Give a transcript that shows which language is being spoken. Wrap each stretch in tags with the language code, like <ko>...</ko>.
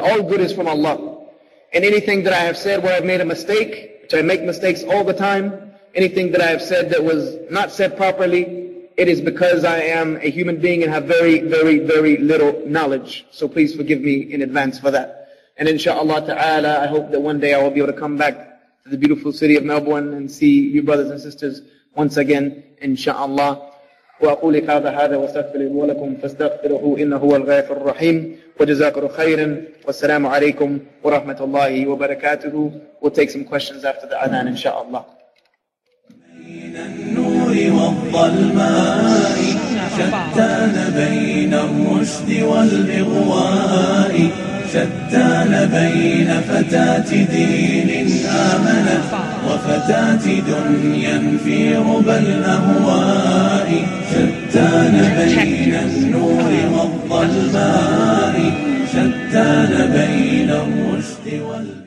<en>All good is from Allah. And anything that I have said where I've made a mistake, which I make mistakes all the time, anything that I have said that was not said properly, it is because I am a human being and have very, very, very little knowledge. So please forgive me in advance for that. And inshaAllah ta'ala, I hope that one day I will be able to come back to the beautiful city of Melbourne and see you brothers and sisters once again, inshaAllah.</en> <ar>وأقول هذا هذا واستغفر لي ولكم فاستغفروه إنه هو الغفور الرحيم وجزاكم خيرا والسلام عليكم ورحمة الله وبركاته.</ar> <en>We'll take some questions after the adhan, inshaAllah.</en> <ar>بين النور والظلماء شتان بين الرشد والإغواء شتان بين فتاة دين آمنت وفتاة دنيا في ربى الأهواء شتان بين النور والظلماء شتان بين الرشد والإغواء.</ar>